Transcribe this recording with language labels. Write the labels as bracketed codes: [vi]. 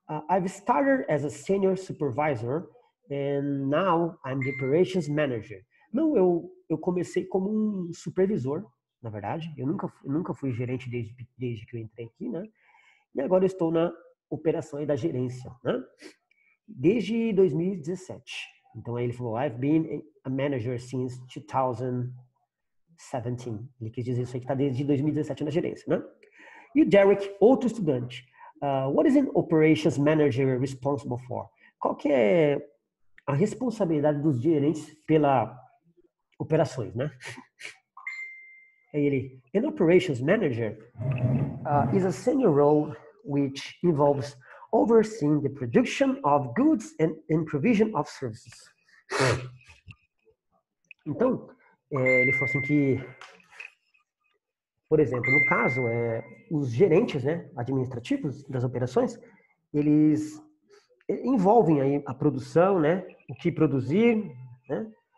[en] I've started as a senior supervisor and now I'm the operations manager. [pt] Não, eu comecei como um supervisor. Na verdade, eu nunca fui gerente desde que eu entrei aqui, né? E agora eu estou na operação aí da gerência, né? Desde 2017. Então aí ele falou, [en] I've been a manager since 2017. [pt] Ele quis dizer isso aí, que está desde 2017 na gerência, né? E Derek, outro estudante, [en] what is an operations manager responsible for? [pt] Qual que é a responsabilidade dos gerentes pela operações, né? Aí ele, [en] an operations manager is a senior role which involves overseeing the production of goods and provision of services. [pt] Então, ele falou assim que, por exemplo, no caso, os gerentes, né, administrativos das operações, eles envolvem aí a produção, né, o que produzir, né?